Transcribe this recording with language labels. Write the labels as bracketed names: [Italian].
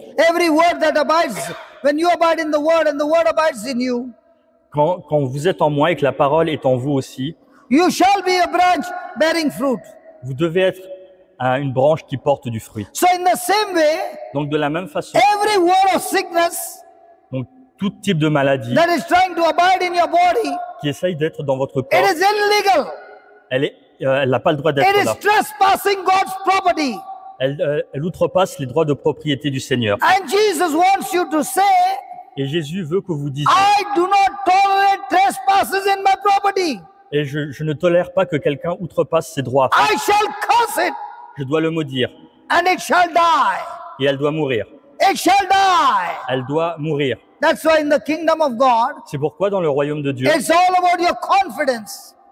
[English] Every word that abides, when you abide in the word and the word abides in you, [French] quand vous êtes en moi et que la parole est en vous aussi, [English] you shall be a branch bearing fruit. [French] Vous devez être une branche qui porte du fruit. [English] So in the same way, [French] donc de la même façon, [English] every word of sickness, [French] donc tout type de maladie [English] that is trying to abide in your body, [French] qui essaye d'être dans votre corps, [English] it is illegal. [French] Elle n'a pas le droit d'être [English] it [French] là. [English] Is trespassing God's property. [French] Elle outrepasse les droits de propriété du Seigneur. [English] And Jesus wants you to say, [French] et Jésus veut que vous disiez, [English] I do not tolerate trespasses in my property. [French] Et je ne tolère pas que quelqu'un outrepasse ses droits. [English] I shall curse it. [French] Je dois le maudire. [English] And it shall die. [French] Et elle doit mourir. [English] It shall die. [French] Elle doit mourir. [English] That's why in the kingdom of God, [French] c'est pourquoi dans le royaume de Dieu, [English] it's all about your confidence.